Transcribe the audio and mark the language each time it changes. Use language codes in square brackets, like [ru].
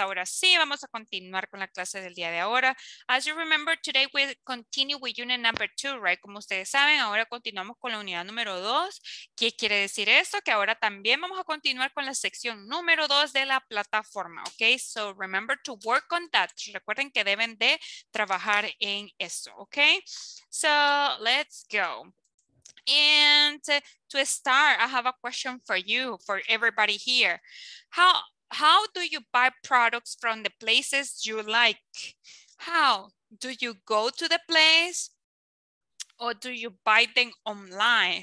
[es] Ahora sí, vamos a continuar con la clase del día de ahora. [en] As you remember, today we continue with unit number 2, right? [es] Como ustedes saben, ahora continuamos con la unidad número 2. ¿Qué quiere decir esto? Que ahora también vamos a continuar con la sección número 2 de la plataforma, okay? [en] So, remember to work on that. [es] Recuerden que deben de trabajar en eso, okay? [en] So, let's go. And to start, I have a question for you, for everybody here. How do you buy products from the places you like? How do you go to the place or do you buy them online?